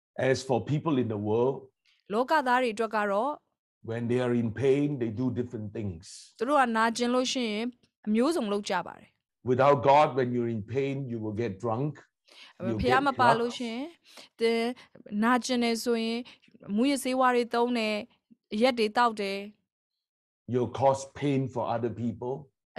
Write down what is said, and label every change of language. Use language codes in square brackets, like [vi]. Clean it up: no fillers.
[en] As for people in the world [my] လောကသားတွေအတွက်ကတော့ [en] when they are in pain they do different things [my] သူတို့ကနာကျင်လို့ရှိရင်အမျိုးစုံလုပ်ကြပါတယ် [en] without god when you're in pain you will get drunk [my] ဖခင်မပါလို့ရှိရင်နာကျင်နေဆိုရင်မူးယစ်ဆေးဝါးတွေသုံးတယ်ရက်တွေတောက်တယ် [en] You'll cause pain for other people.